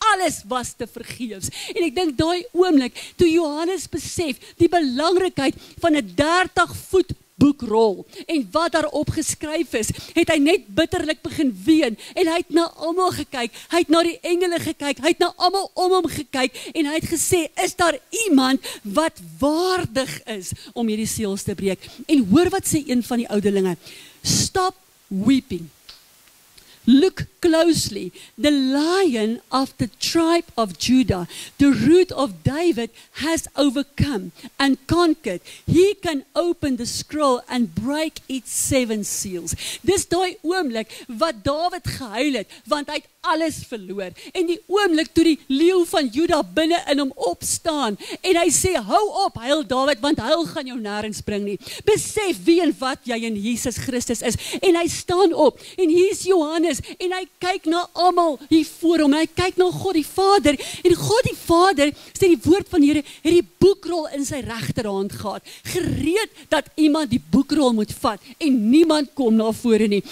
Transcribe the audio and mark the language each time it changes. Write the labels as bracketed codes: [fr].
[af] Alles was te vergeefs. En ek denk daai oomblik, toe Johannes besef die belangrikheid van 'n 30-voet boekrol, en wat daarop geskryf is, het hy net bitterlik begin ween, en hy het na almal gekyk, hy het na die engele gekyk, hy het na almal om hom gekyk, en hy het gesê, is daar iemand wat waardig is om hierdie seels te breek? En hoor wat sê een van die ouderlinge, [en] stop weeping. Look closely, the lion of the tribe of Judah, the root of David, has overcome and conquered. He can open the scroll and break its 7 seals. [af] Dis daai oomblik wat David gehuil het, want hy het alles verloor. En die oomblik toe die leeu van Juda binne in hom opstaan, en hy sê, hou op, huil David, want huil gaan jou nêrens bring nie. Besef wie en wat jy in Jesus Christus is. En hy staan op, en hier is Johannes, en hy kyk na almal hier voor hom, en hy kyk na God die Vader, en God die Vader, sê die woord van die Here, het die boekrol in sy regterhand gehad, gereed dat iemand die boekrol moet vat, en niemand kom na vore nie.